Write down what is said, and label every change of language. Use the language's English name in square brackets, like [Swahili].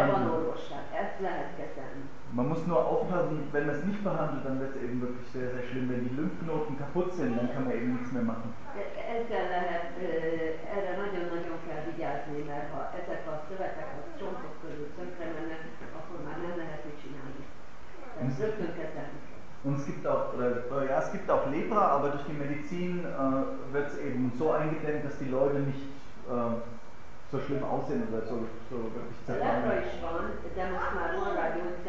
[Hungarian] Erre van orvosság, ezt lehet kezelni. [German] Man muss nur aufpassen, wenn man es nicht behandelt, dann wird es eben wirklich sehr, sehr schlimm. Wenn die Lymphknoten kaputt sind, dann kann man eben nichts mehr machen. [Hungarian] Ezzel lehet, erre nagyon-nagyon kell vigyázni, mert ha ezek a szövetek a csontok körül tönkre mennek, akkor már nem lehet mit csinálni. Rögtön kezelni. [German] Und es gibt auch, Lepra, aber durch die Medizin wird es eben so eingedämmt, dass die Leute nicht so schlimm aussehen oder so, so wirklich zerfallen. Lepra ist schon, da muss man Ruhe sagen.